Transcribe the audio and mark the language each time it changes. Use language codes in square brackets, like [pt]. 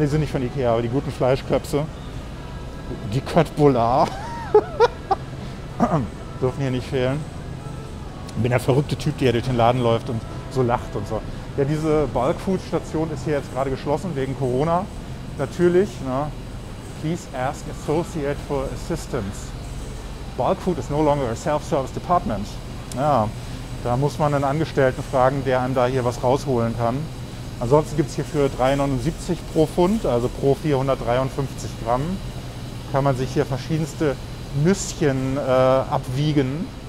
[de] Nee, sind nicht von IKEA, aber die guten Fleischklöpse. Die Köttbullar. Dürfen hier nicht fehlen. Ich bin der verrückte Typ, der durch den Laden läuft und so lacht und so. Ja, diese Bulkfood-Station ist hier jetzt gerade geschlossen wegen Corona. Natürlich, ne? [en] Please ask associate for assistance. Bulkfood is no longer a self-service department. [de] Ja, da muss man einen Angestellten fragen, der einem da hier was rausholen kann. Ansonsten gibt es hier für 3,79 pro Pfund, also pro 453 Gramm, kann man sich hier verschiedenste Nüsschen abwiegen.